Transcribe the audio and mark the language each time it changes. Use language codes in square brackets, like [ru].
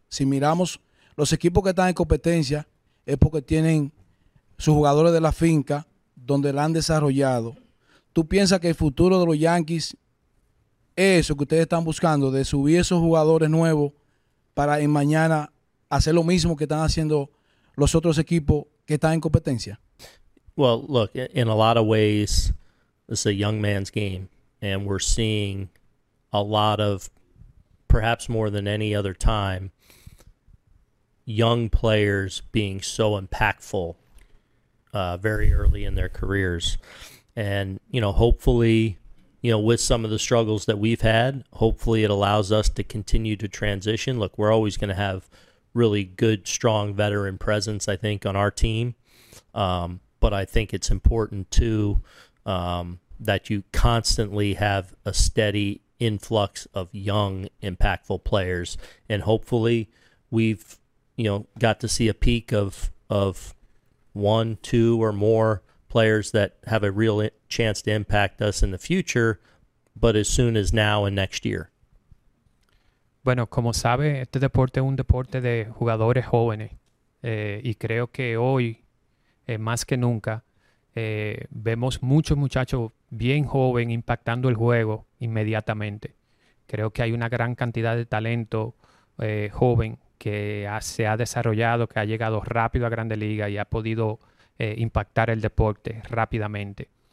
[es] Si miramos los equipos que están en competencia, es porque tienen sus jugadores de la finca, donde la han desarrollado, ¿tú piensas que el futuro de los Yankees es eso que ustedes están buscando, de subir esos jugadores nuevos para en mañana hacer lo mismo que están haciendo los otros equipos que están en competencia? [en] Well, look, in a lot of ways, it's a young man's game, and we're seeing a lot of, perhaps more than any other time, young players being so impactful very early in their careers. And, you know, hopefully, you know, with some of the struggles that we've had, hopefully it allows us to continue to transition. Look, we're always going to have really good, strong veteran presence, I think, on our team. But I think it's important, too, that you constantly have a steady influx of young, impactful players. And hopefully we've, you know, got to see a peak of one, two, or more players that have a real chance to impact us in the future, but as soon as now and next year. [es] Bueno, como sabe, este deporte es un deporte de jugadores jóvenes. Y creo que hoy, más que nunca, vemos muchos muchachos bien jóvenes impactando el juego inmediatamente. Creo que hay una gran cantidad de talento joven que se ha desarrollado, que ha llegado rápido a Grandes Ligas y ha podido impactar el deporte rápidamente.